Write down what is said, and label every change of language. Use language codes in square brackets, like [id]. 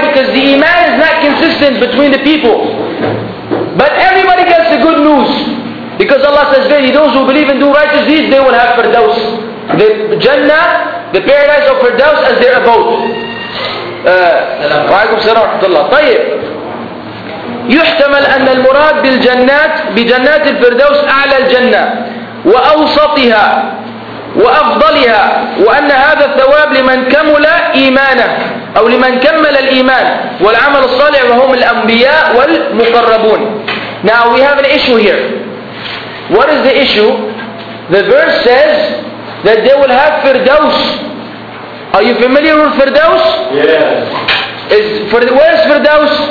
[en] Because the iman is not consistent between the people. But everybody gets the good news. Because Allah says, verily those who believe and do righteous deeds, they will have Firdaus. The Jannah, the paradise of Firdaus as their abode. [ar] Wa alaykum salam wa rahmatullah. Tayyib. يحتمل أن المراد بالجنات بجنات الفردوس أعلى الجنة وأوسطها وأفضلها، وأن هذا الثواب لمن كمل إيمانه أو لمن كمل الإيمان والعمل الصالح وهم الأنبياء والمقربون. [en] Now we have an issue here. What is the issue? The verse says that they will have Firdaus. Are you familiar with Firdaus? Yes. Is for the, where is Firdaus?